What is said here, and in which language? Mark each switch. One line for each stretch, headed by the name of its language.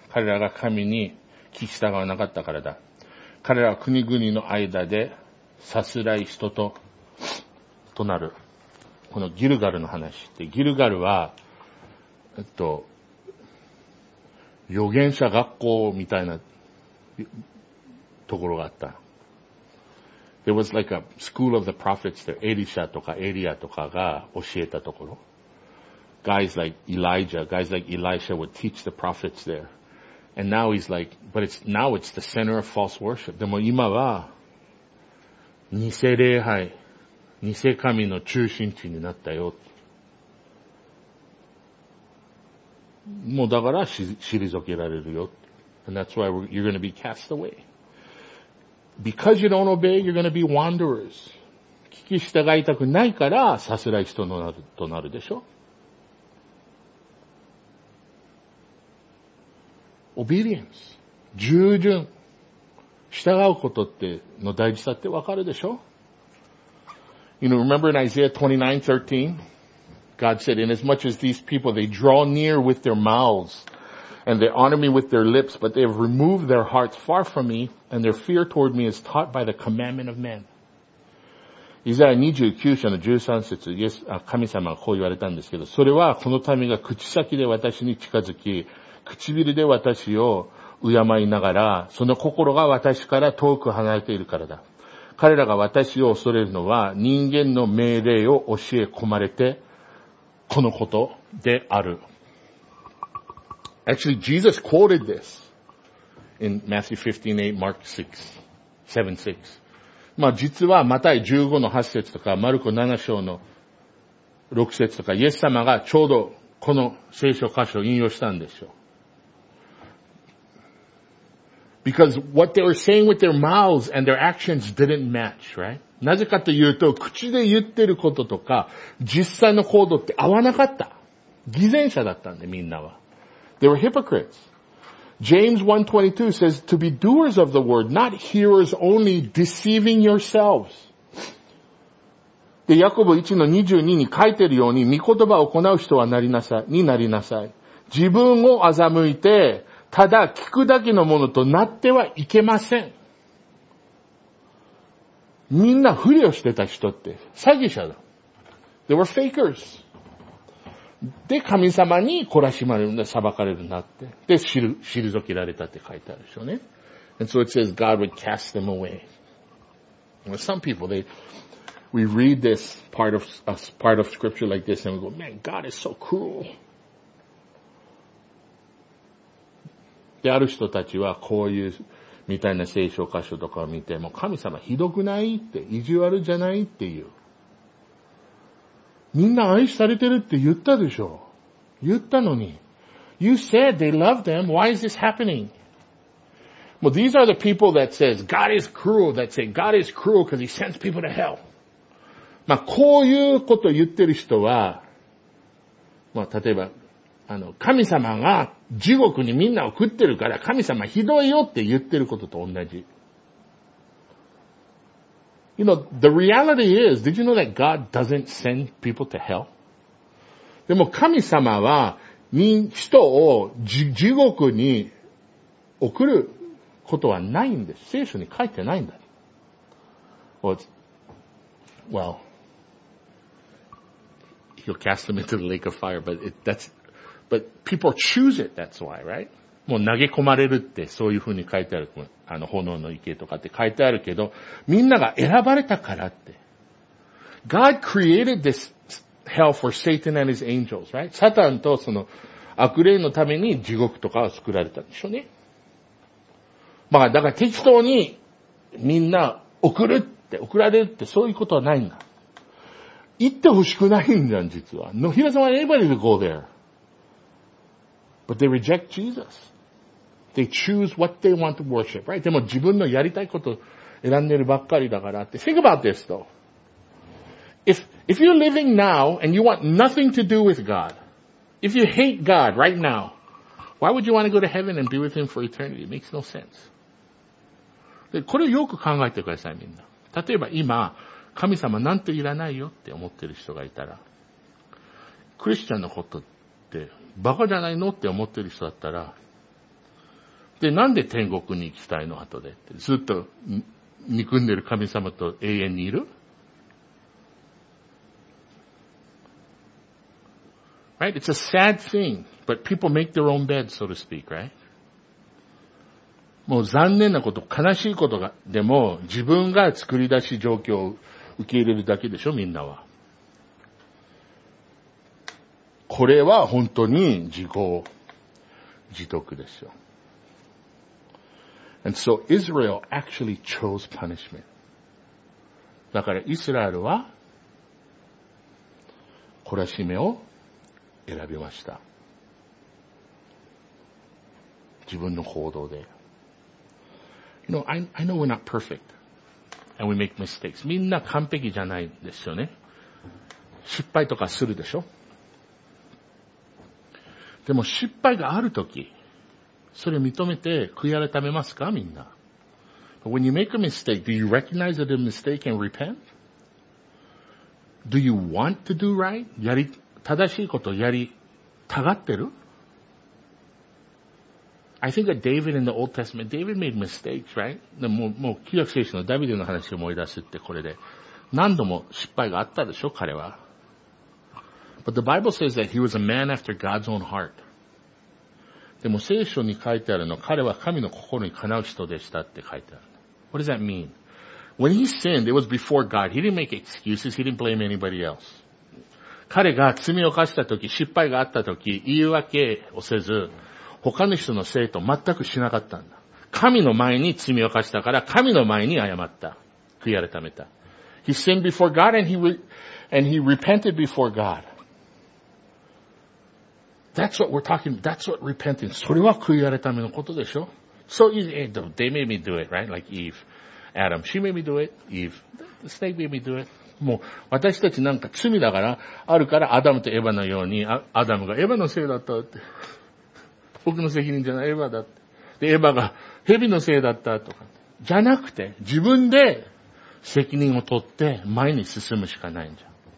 Japanese: 彼らが神に聞き従わなかったからだ。彼らは国々の間でさすらい人と、となる。このギルガルの話って、ギルガルは、預言者学校みたいなところがあった。
English: There was like a school of the prophets there.
Japanese: Elisha とかエリアとかが教えたところ。
English: Guys like Elisha would teach the prophets there. And now he's like, but it's, now it's the center of false worship.
Japanese: でも今は、偽礼拝、偽神の中心地になったよ。もうだから退けられるよ。
English: And that's why you're going to be cast away. Because you don't obey, you're going to be wanderers.
Japanese: 聞き従いたくないから、さすらい人となる、となるでしょ。
English: Obedience.
Japanese: 従順。従うことっての大事さってわかるでしょ。
English: You know, remember in Isaiah 29:13? God said, inasmuch as these people, they draw near with their mouths,And they honor me with their lips, but they have removed their hearts far from me, and their fear toward me is taught by the commandment of men.
Japanese: イザヤ29章の13節、イエス、神様がこう言われたんですけど、それはこの民が口先で私に近づき、唇で私を敬いながら、その心が私から遠く離れているからだ。彼らが私を恐れるのは、人間の命令を教え込まれて、このことである。
English: Actually, Jesus quoted this in Matthew 15:8, Mark 6:7-6.
Japanese: まあ実はマタイ15の8節とかマルコ7章の6節とかイエス様がちょうどこの聖書箇所を引用したんでしょう。
English: Because what they were saying with their mouths and their actions didn't match, right?
Japanese: なぜかというと口で言ってることとか実際の行動って合わなかった。偽善者だったんでみんなは。
English: They were hypocrites. James 1:22 says to be doers of the word, not hearers only, deceiving yourselves.
Japanese: で、ヤコブ 1:22 に書いてるように、御言葉を行う人はになりなさい。自分を欺いて、ただ聞くだけのものとなってはいけません。みんなふりをしてた人って、詐欺者だ。
English: They were fakers.
Japanese: で、神様に懲らしまれるんだ、裁かれるんだって。で、退けられたって書いてあるでしょうね。
English: And so it says God would cast them away. Well, some people, we read this part of scripture like this and we go, man, God is so cruel.
Japanese: で、ある人たちはこういうみたいな聖書箇所とかを見ても、神様ひどくないって、意地悪じゃないっていう。みんな愛されてるって言ったでしょ。言ったのに。
English: You said they love them. Why is this happening? Well, these are the people that says God is cruel. That say God is cruel because he sends people to hell.
Japanese: まあ、こういうことを言ってる人は、まあ、例えば、神様が地獄にみんな送ってるから神様ひどいよって言ってることと同じ。
English: You know, the reality is, did you know that God doesn't send people to hell?
Japanese: でも神様は人を地獄に送ることはないんです。聖書に書いてないんだ。
English: Well, he'll cast them into the lake of fire, but people choose it, that's why, right?
Japanese: もう投げ込まれるって、そういう風に書いてある。炎の池とかって書いてあるけど、みんなが選ばれたからって。
English: God created this hell for Satan and his angels, right?
Japanese: サタンとその悪霊のために地獄とかを作られたんでしょうね。まあ、だから適当にみんな送るって、送られるってそういうことはないんだ。行ってほしくないんじゃん、実は。
English: No, he doesn't want anybody to go there. But they reject Jesus. They choose what they want to worship, right?
Japanese: でも自分のやりたいことを選んでるばっかりだからって。
English: Think about this though. If you're living now and you want nothing to do with God, if you hate God right now, why would you want to go to heaven and be with Him for eternity? It makes no sense.
Japanese: で、これよく考えてください、みんな。例えば今、神様なんていらないよって思ってる人がいたら、クリスチャンのことって、バカじゃないのって思ってる人だったら、で、なんで天国に行きたいの後でって。ずっと憎んでる神様と永遠にいる
English: Right? It's a sad thing, but people make their own bed, so to speak, right?
Japanese: もう残念なこと、悲しいことが、でも自分が作り出し状況を受け入れるだけでしょ、みんなは。これは本当に自業自得ですよ。
English: And so Israel actually chose punishment.
Japanese: だからイスラエルは懲らしめを選びました。自分の行動で。
English: You know, I know we're not perfect. And we make mistakes.
Japanese: みんな完璧じゃないですよね。失敗とかするでしょ。でも失敗があるとき、それを認めて悔い改めますか、みんな。
English: When you make a mistake, do you recognize that a mistake and repent? Do you want to do right?
Japanese: 正しいことをやりたがってる?
English: I think that David in the Old Testament, David made mistakes, right?
Japanese: もう旧約聖書のダビデの話を思い出すってこれで、何度も失敗があったでしょ、彼は。
English: But the Bible says that he was a man after God's own heart.
Japanese: でも聖書に書いてあるの、彼は神の心にかなう人でしたって書いてある。
English: What does that mean? When he sinned, it was before God. He didn't make excuses. He didn't blame anybody else.
Japanese: 彼が罪を犯したとき、失敗があったとき、言い訳をせず、他の人のせいと全くしなかったんだ。神の前に罪を犯したから、神の前に謝った。悔い改めた。
English: He sinned before God and he repented before God. That's what we're talking, that's what repentance.
Japanese: それは悔い改めのことでしょ?
English: So easy, they made me do it, right? Like Eve, Adam, she made me do it, Eve, the snake made me do it.
Japanese: もう私たちなんか罪だから、あるからアダムとエヴァのように、アダムがエヴァのせいだったって。僕の責任じゃない、エヴァだって。で、エヴァが蛇のせいだったとか。じゃなくて、自分で責任を取って前に進むしかないんじゃん。